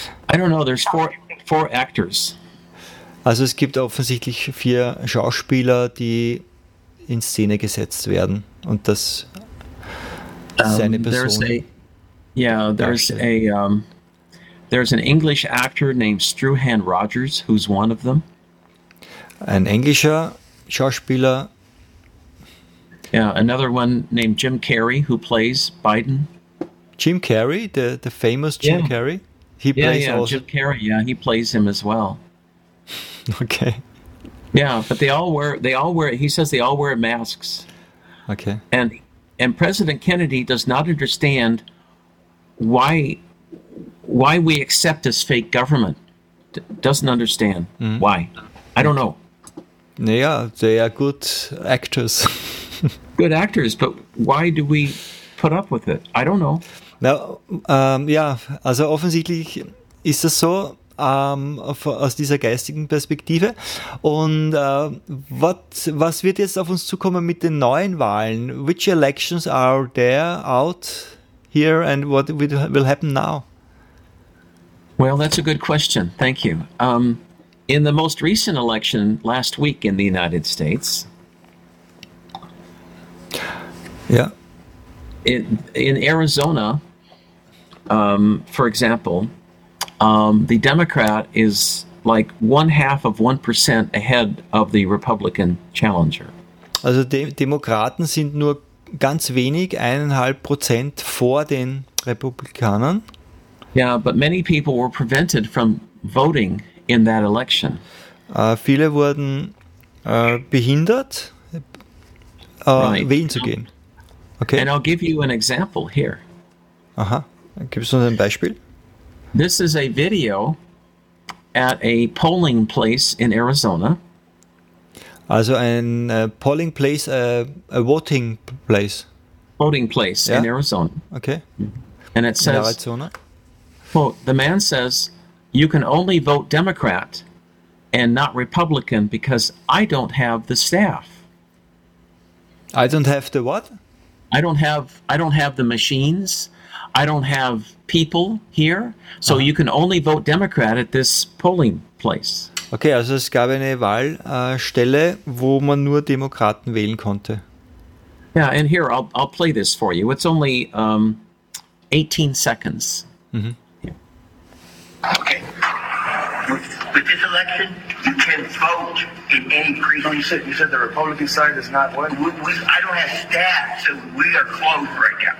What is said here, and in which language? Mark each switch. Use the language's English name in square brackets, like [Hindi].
[English] I don't know, there's four actors. [German] Also es gibt offensichtlich 4 Schauspieler, die in Szene gesetzt werden und das seine Person. [English] There's an English actor named Struhan Rogers, who's one of them. [German] Ein englischer Schauspieler. [English] Yeah, another one named Jim Carrey, who plays Biden. Jim Carrey, the famous Jim Carrey? Jim Carrey, yeah, he plays him as well. Okay. Yeah, but he says they all wear masks. Okay. And President Kennedy does not understand why we accept this fake government. Doesn't understand why. I don't know. Naja, they are good actors. Good actors, but why do we put up with it? I don't know. [German] Also offensichtlich ist das so aus dieser geistigen Perspektive. Und was wird jetzt auf uns zukommen mit den neuen Wahlen? [English] Which elections are there out here and what will happen now? Well, that's a good question. Thank you. In the most recent election last week in the United States, in Arizona, for example, the Democrat is like 0.5% ahead of the Republican challenger. [German] Also Demokraten sind nur ganz wenig 1.5% vor den Republikanern. [English] Yeah, but many people were prevented from voting in that election. [German] Viele wurden behindert, right. Wählen zu gehen. Okay. [English] And I'll give you an example here. [German] Aha, gibst du uns ein Beispiel? [English] This is a video at a polling place in Arizona. [German] Also ein [English] polling place, a voting place. Voting place, yeah. In Arizona. Okay. And it says, Arizona. Quote, the man says, you can only vote Democrat and not Republican because I don't have the staff. I don't have the what? I don't have the machines. I don't have people here. So you can only vote Democrat at this polling place. [German] Okay, also es gab eine Wahlstelle, wo man nur Demokraten wählen konnte. [English] Yeah, and here I'll play this for you. It's only 18 seconds. Okay. With this election, you can vote in any precinct. Oh, you said the Republican side is not what? I don't have staff, so we are closed right now.